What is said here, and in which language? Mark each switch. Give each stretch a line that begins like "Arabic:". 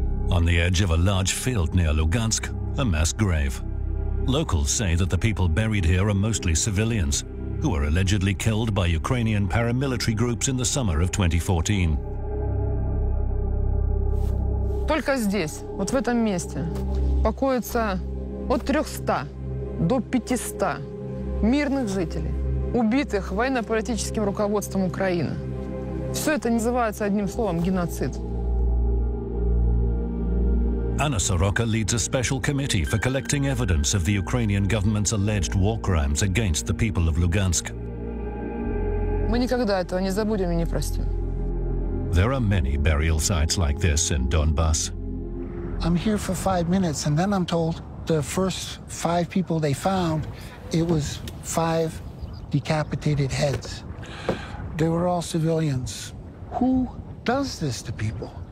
English: On the edge of a large field near Lugansk, a mass grave. Locals say that the people buried here are mostly civilians, who were allegedly killed by Ukrainian paramilitary groups in the summer of 2014.
Russian: Только здесь, вот в этом месте, покоится от 300 до 500 мирных жителей, убитых военно-политическим руководством Украины. Все это называется одним словом геноцид.
English: Anna Soroka leads a special committee for collecting evidence of the Ukrainian government's alleged war crimes against the people of Lugansk.
Russian: Мы никогда этого не забудем и не простим.
English: There are many burial sites like this in Donbas. I'm here for 5 minutes, and then I'm told the first five people they found, it was five decapitated heads. They were all civilians. Who does this to people?